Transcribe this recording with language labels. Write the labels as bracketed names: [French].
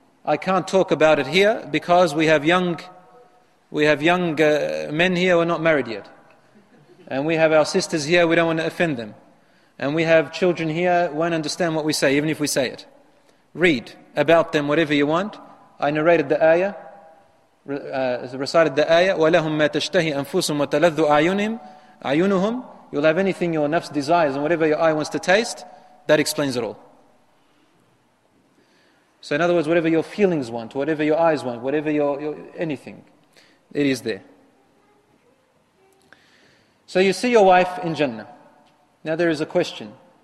[English] I can't talk about it here because we have young men here who are not married yet. And we have our sisters here, we don't want to offend them. And we have children here who won't understand what we say, even if we say it. Read about them whatever you want. I narrated the ayah. Recited the ayah, [Arabic] وَلَهُمْ مَا تَشْتَهِي أَنفُسُمْ وَتَلَذُّ أَعْيُنُهُمْ. [English] You'll have anything your nafs desires and whatever your eye wants to taste, that explains it all. So in other words, whatever your feelings want, whatever your eyes want, whatever your anything, it is there. So you see your wife in Jannah. Now there is a question.